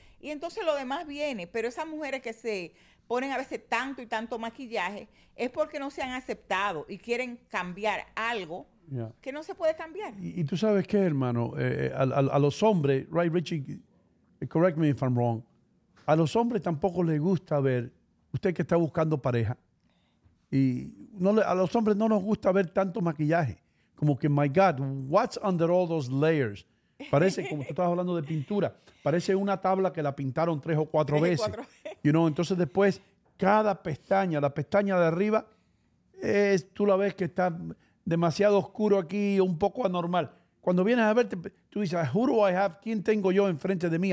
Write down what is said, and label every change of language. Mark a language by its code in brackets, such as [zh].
[es] Y entonces lo demás viene. Pero esas mujeres que se ponen a veces tanto y tanto maquillaje es porque no se han aceptado y quieren cambiar algo que no se puede cambiar. Y tú sabes qué, hermano, a los hombres, [en] right, Richie, correct me if I'm wrong, [es] a los hombres tampoco les gusta ver, usted que está buscando pareja, y no le, a los hombres no nos gusta ver tanto maquillaje. Como que, [en] my God, what's under all those layers? [es] Parece, como tú estabas hablando de pintura, parece una tabla que la pintaron tres o cuatro veces. [en] You know? [es] Entonces después, cada pestaña, la pestaña de arriba, tú la ves que está demasiado oscuro aquí, un poco anormal. Cuando vienes a verte, tú dices, [en] who do I have? [es] ¿Quién tengo yo enfrente de mí?